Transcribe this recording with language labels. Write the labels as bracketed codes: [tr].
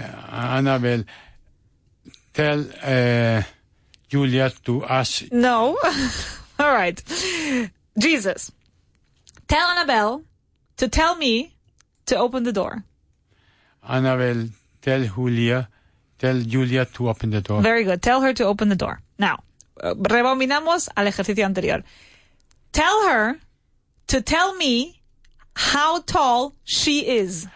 [en] Annabelle, tell Julia to ask. No. All right. Jesus, tell Annabelle to tell me to open the door. Annabelle, tell Julia to open the door. Very good. Tell her to open the door. [es] Now, rebobinamos al ejercicio anterior. [en] Tell her to tell me how tall she is.